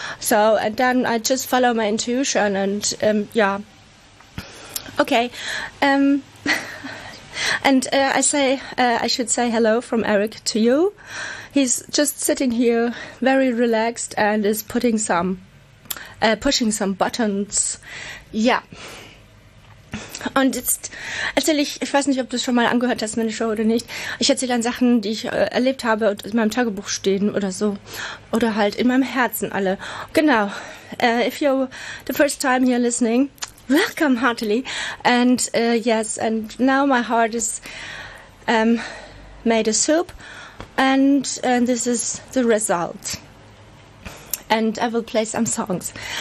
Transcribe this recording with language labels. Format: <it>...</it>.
<en>So, and then I just follow my intuition and, yeah. Okay. And I should say hello from Eric to you. He's just sitting here, very relaxed, and is putting some... pushing some buttons. Ja.</en> <de>Und jetzt erzähle ich, ich weiß nicht, ob du es schon mal angehört hast, meine Show oder nicht. Ich erzähle dann Sachen, die ich erlebt habe und in meinem Tagebuch stehen oder so. Oder halt in meinem Herzen alle. Genau.</de> <en>If you're the first time here listening, welcome heartily. And yes, and now my heart is made a soup. And this is the result. And I will play some songs.</en>